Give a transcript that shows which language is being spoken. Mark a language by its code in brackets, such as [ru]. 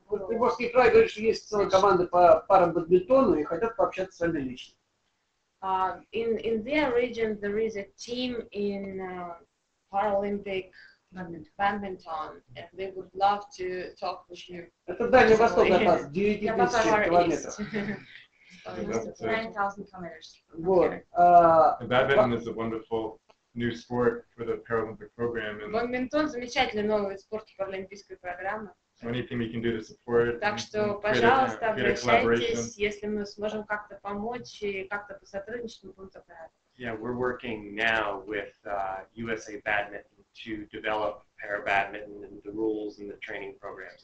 [ru] Приморский край говорит, что есть целая команда по парам бадминтону и хотят пообщаться с вами лично. [en] In their region, there is a team in Paralympic badminton, and they would love to talk with you. [ru] Это Дальний Восток от нас, 9000 километров. 9000 километров. Вот. [en] Badminton is a wonderful new sport for the Paralympic program. [ru] Badminton замечательный новый спорт для паралимпийской программы. [en] Anything we can do to support. [ru] Так что, пожалуйста, обращайтесь, если мы сможем как-то помочь и как-то посотрудничать, мы будем только рады. [en] Yeah, we're working now with USA Badminton to develop para badminton and the rules and the training programs.